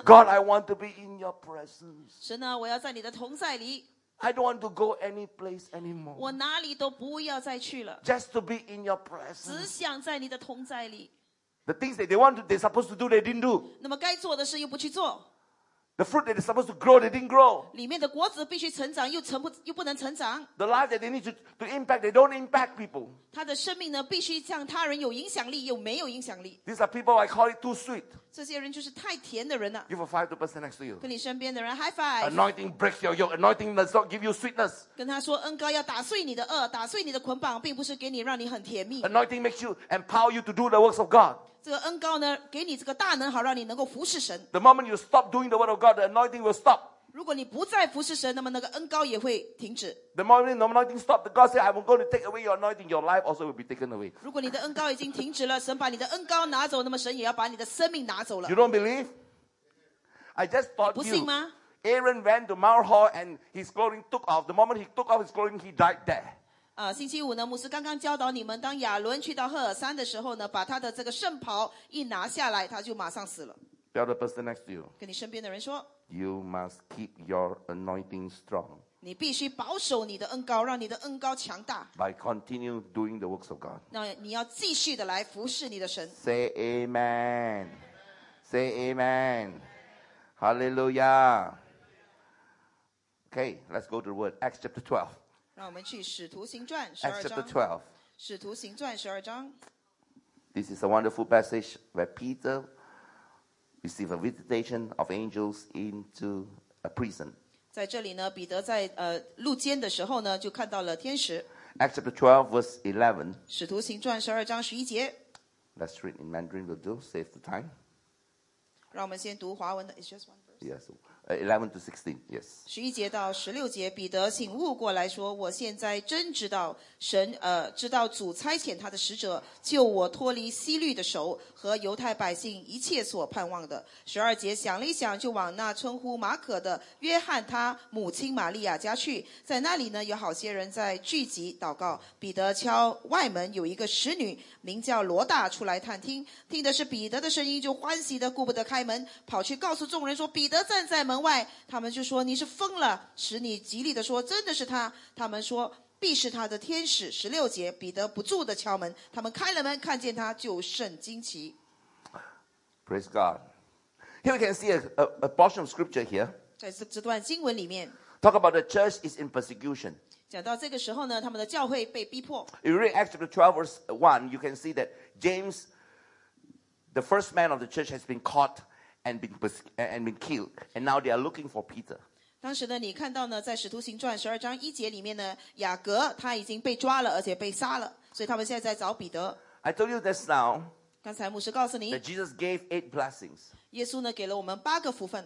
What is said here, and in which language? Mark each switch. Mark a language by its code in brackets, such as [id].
[en] God, I want to be in your presence. [zh] 神啊，我要在你的同在里。 [en] I don't want to go any place anymore. [zh] 我哪里都不要再去了。 [en] Just to be in your presence. [zh] 只想在你的同在里。 [en] The things that they want to, they're supposed to do, they didn't do. [zh] 那么该做的事又不去做。 [en] The fruit that is supposed to grow, they didn't grow. [zh] 里面的果子必须成长，又不能成长。 [en] The life that they need to impact, they don't impact people. [zh] 他的生命呢，必须向他人有影响力，又没有影响力。 [en] These are people I call it too sweet. [zh] 这些人就是太甜的人了。 [en] Give a five to the person next to you. [zh] 跟你身边的人 [en] high five. Anointing breaks your yoke. Anointing does not give you sweetness. [zh] 跟他说，恩膏要打碎你的轭，打碎你的捆绑，并不是给你让你很甜蜜。 [en] Anointing makes you empower you to do the works of God. [zh] 这个恩膏呢，给你这个大能，好让你能够服侍神。 [en] The moment you stop doing the word of God, the anointing will stop. [zh] 如果你不再服侍神，那么那个恩膏也会停止。 [en] The moment the anointing stops, the God says, "I'm going to take away your anointing. Your life also will be taken away." [zh] 如果你的恩膏已经停止了，神把你的恩膏拿走，那么神也要把你的生命拿走了。 [en] You don't believe? I just thought you. [zh] 不信吗 [en] ？Aaron went to Mount Hor and his clothing took off. The moment he took off his clothing, he died there. [zh] 星期五呢，牧师刚刚教导你们，当亚伦去到赫尔山的时候呢，把他的这个圣袍一拿下来，他就马上死了。 [en] Tell the person next to you. [zh] 跟你身边的人说。 [en] You must keep your anointing strong. [zh] 你必须保守你的恩膏，让你的恩膏强大。 [en] By continue doing the works of God. [zh] 那你要继续的来服侍你的神。 [en] Say amen. Say amen. Hallelujah. Okay, let's go to the word. Acts chapter 12. [zh] 让我们去使徒行传十二章。 [en] Acts chapter 12. [zh] 使徒行传十二章。 [en] This is a wonderful passage where Peter received a visitation of angels into a prison. [zh] 在这里呢，彼得在入监的时候呢，就看到了天使。 [en] Acts chapter 12, verse 11. [zh] 使徒行传十二章十一节。 [en] Let's read in Mandarin, will do, save the time. [zh] 让我们先读华文的 [en] It's just one verse. Yes, 11 to 16, yes. [zh] 十一节到十六节，彼得醒悟过来说，我现在真知道神，知道主差遣他的使者，救我脱离希律的手和犹太百姓一切所盼望的。十二节想了一想，就往那称呼马可的约翰他母亲玛利亚家去，在那里呢，有好些人在聚集祷告。彼得敲外门，有一个使女名叫罗大出来探听，听的是彼得的声音，就欢喜的顾不得开门，跑去告诉众人说，彼得站在门外。他们就说，你是疯了，使你极力的说，真的是他。他们说，必是他的天使。十六节，彼得不住的敲门，他们开了门，看见他就甚惊奇。 [en] Praise God. Here we can see a portion of scripture here. [zh] 在这段经文里面 [en] talk about the church is in persecution. [zh] 讲到这个时候呢，他们的教会被逼迫。 [en] You read Acts chapter 12 verse 1, you can see that James, the first man of the church, has been caughtand been killed, and now they are looking for Peter. [zh] 当时呢，你看到呢，在《使徒行传》十二章一节里面呢，雅各他已经被抓了，而且被杀了，所以他们现在在找彼得。 [en] I told you this now. [zh] 刚才牧师告诉你 [en] that Jesus gave 8 blessings. [zh] 耶稣呢，给了我们八个福分。